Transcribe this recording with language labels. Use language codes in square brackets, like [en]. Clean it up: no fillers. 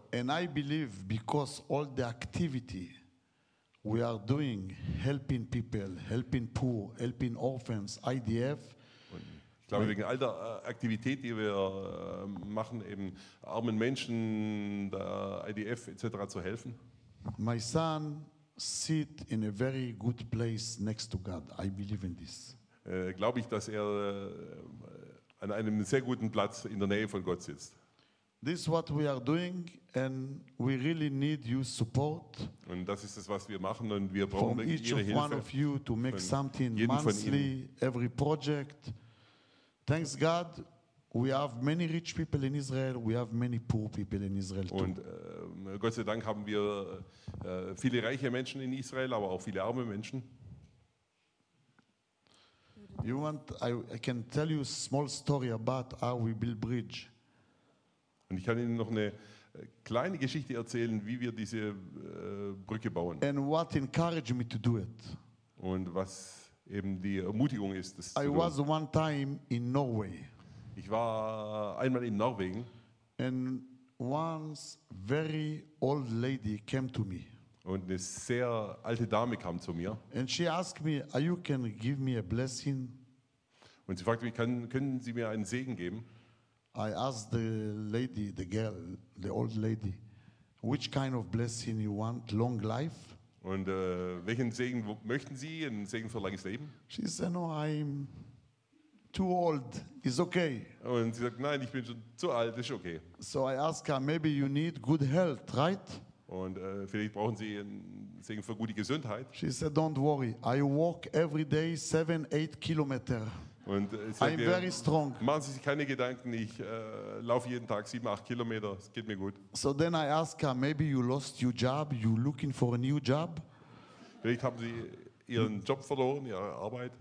[en] And I believe because all the activity we are doing, helping people, helping poor, helping orphans, IDF. [de] Und ich glaube, wegen all der Aktivität, die wir machen, eben armen Menschen, der IDF etc. zu helfen. [en] My son sit in a very good place next to God. I believe in this. [de] Glaube ich, dass er an einem sehr guten Platz in der Nähe von Gott sitzt. [en] This is what we are doing, and we really need your support. [de] Und das ist es, was wir machen, und wir brauchen [en] from each [de] Ihre [en] of [de] Hilfe. [en] One of you to make something monthly, every project. Thanks God, we have many rich people in Israel. We have many poor people in Israel too. [de] Und Gott sei Dank haben wir viele reiche Menschen in Israel, aber auch viele arme Menschen. [en] You want? I can tell you a small story about how we build bridge. [de] Und ich kann Ihnen noch eine kleine Geschichte erzählen, wie wir diese Brücke bauen. [en] And what encouraged me to do it. [de] Und was eben die Ermutigung ist, das [en] I was one time in Norway. [de] Ich war einmal in Norwegen. [en] And once very old lady came to me. [de] Und eine sehr alte Dame kam zu mir. [en] And she asked me, "Are you can give me a blessing?" [de] Und sie fragte mich, können Sie mir einen Segen geben? [en] I asked the lady, the girl, the old lady, which kind of blessing you want, long life? [de] Und welchen Segen möchten Sie, einen Segen für langes Leben? [en] She said, no, I'm too old, it's okay. [de] Und sie sagt, nein, ich bin schon zu alt, ist okay. [en] So I asked her, maybe you need good health, right? [de] Und vielleicht brauchen Sie einen Segen für gute Gesundheit. [en] She said, don't worry, I walk every day 7-8 kilometers. [de] Und [en] I'm [de] mir, [en] very strong. [de] Machen Sie sich keine Gedanken, ich laufe jeden Tag 7-8 Kilometer, es geht mir gut. [en] So then I ask her, maybe you lost your job, you looking for a new job? [de] Vielleicht haben Sie Ihren Job verloren, Ihre Arbeit?